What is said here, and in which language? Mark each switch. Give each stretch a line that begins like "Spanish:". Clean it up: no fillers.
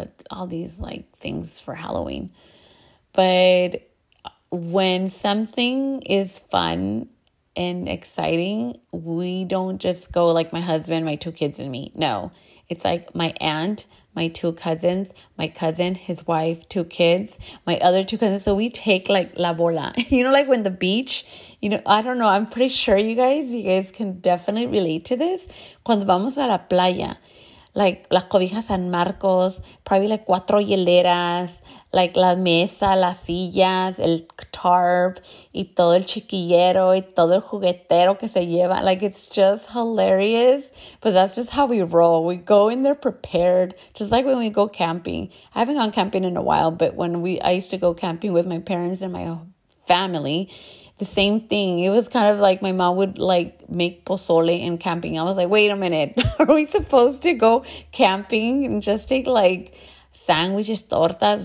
English: all these like things for Halloween. But when something is fun and exciting, we don't just go like my husband, my two kids, and me. No, it's like my aunt, my two cousins, my cousin, his wife, two kids, my other two cousins. So we take like
Spanish: la bola,
English: you know, like when the beach, you know, I don't know. I'm pretty sure you guys can definitely relate to this.
Spanish: Cuando vamos a la playa, like las cobijas San Marcos,
English: probably like
Spanish: cuatro hieleras, like la mesa, las sillas, el tarp, y todo el chiquillero, y todo el juguetero que se lleva.
English: Like, it's just hilarious. But that's just how we roll. We go in there prepared, just like when we go camping. I haven't gone camping in a while, but when I used to go camping with my parents and my family, the same thing. It was kind of like my mom would like make pozole in camping. I was like, wait a minute. Are we supposed to go camping and just take like sandwiches, tortas?